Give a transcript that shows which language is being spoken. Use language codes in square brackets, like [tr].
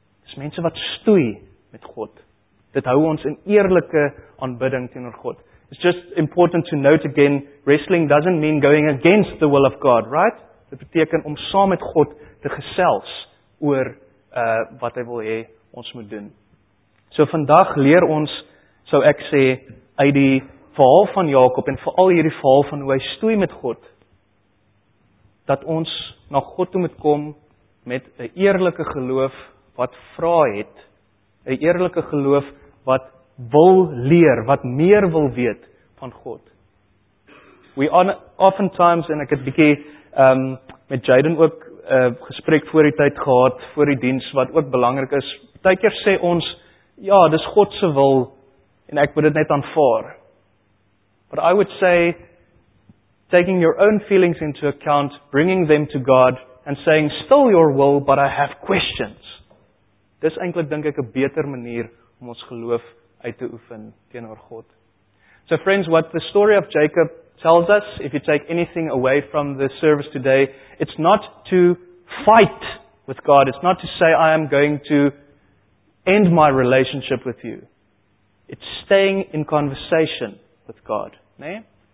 [af] Dis mense wat stoei met God. Dit hou ons in eerlike aanbidding teenoor God. [en] It's just important to note again, wrestling doesn't mean going against the will of God, right? [af] Dit beteken om saam met God te gesels oor wat hy wil hê ons moet doen. So vandag leer ons, sou ek sê, uit die verhaal van Jakob en veral hierdie verhaal van hoe hy stoei met God, dat ons na God toe moet kom met 'n eerlike geloof wat vra het, 'n eerlike geloof wat wil leer, wat meer wil weet van God. [en] We oftentimes, [af] en ek het bietjie met Jaden ook gesprek voor die tyd gehad, voor die diens, wat ook belangrik is, partykeer sê ons, ja, dis God se wil, en ek moet dit net aanvaar. [en] But I would say, taking your own feelings into account, bringing them to God, and saying, still your will, but I have questions. [af] Dis eintlik, dink ek, 'n beter manier om ons geloof uit te oefen teenoor God. [en] So friends, what the story of Jacob tells us, if you take anything away from the service today, it's not to fight with God. It's not to say, I am going to end my relationship with you. It's staying in conversation with God. [af] Nee?